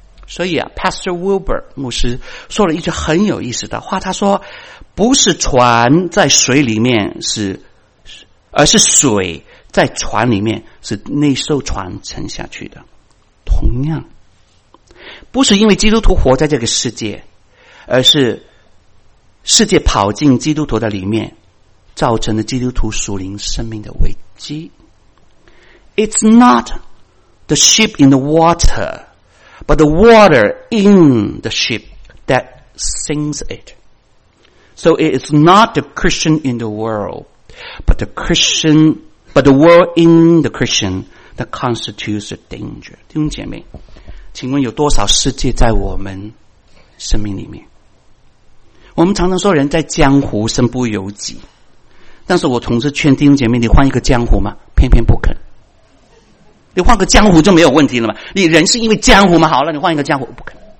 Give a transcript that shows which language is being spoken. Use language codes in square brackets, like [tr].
[zh] 所以啊 Pastor Wilbur 牧师说了一句很有意思的话，他说不是船在水里面是，而是水在船里面是那艘船沉下去的。同样，不是因为基督徒活在这个世界，而是世界跑进基督徒的里面，造成了基督徒属灵生命的危机。 [en] It's not the ship in the water but the water in the ship that sinks it. So it is not the Christian in the world but the ChristianBut the world in the Christian that constitutes a danger. [zh] 弟兄姐妹，请问有多少世界在我们生命里面？我们常常说人在江湖身不由己，但是我同时劝弟兄姐妹，你换一个江湖吗？偏偏不肯。你换个江湖就没有问题了吗？你人是因为江湖吗？好了，你换一个江湖，不肯。